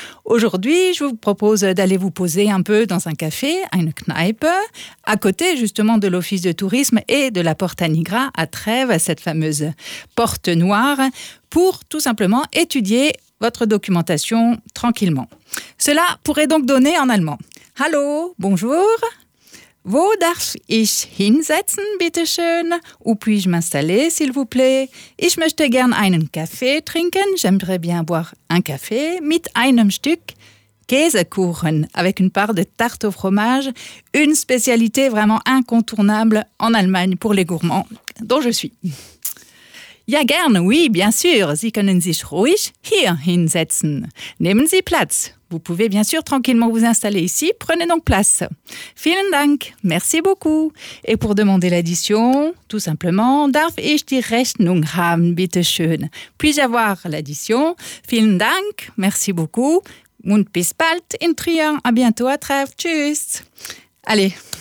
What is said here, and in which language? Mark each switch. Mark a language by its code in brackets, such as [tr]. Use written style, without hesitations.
[fr] Aujourd'hui, je vous propose d'aller vous poser un peu dans un café, [de] eine Kneipe, [fr] à côté justement de l'office de tourisme et de la Porta Nigra à Trèves, cette fameuse porte noire, pour tout simplement étudier votre documentation tranquillement. Cela pourrait donc donner en allemand. [de] Hallo, [fr] bonjour. [de] Wo darf ich hinsetzen, bitte schön? [fr] Où puis-je m'installer, s'il vous plaît? [de] Ich möchte gern einen Kaffee trinken. [fr] J'aimerais bien boire un café. [de] Mit einem Stück Käsekuchen. [fr] Avec une part de tarte au fromage. Une spécialité vraiment incontournable en Allemagne pour les gourmands, dont je suis. [de] Ja, gern, [fr] oui, bien sûr. [de] Sie können sich ruhig hier hinsetzen. Nehmen Sie Platz. [fr] Vous pouvez bien sûr tranquillement vous installer ici. Prenez donc place. [de] Vielen Dank. [fr] Merci beaucoup. Et pour demander l'addition, tout simplement, [de] darf ich die Rechnung haben, bitte schön. [fr] Puis-je avoir l'addition? [de] Vielen Dank. [fr] Merci beaucoup. [de] Und bis bald in Trier. [fr] À bientôt, à Trèves. [de] Tschüss. [fr] Allez.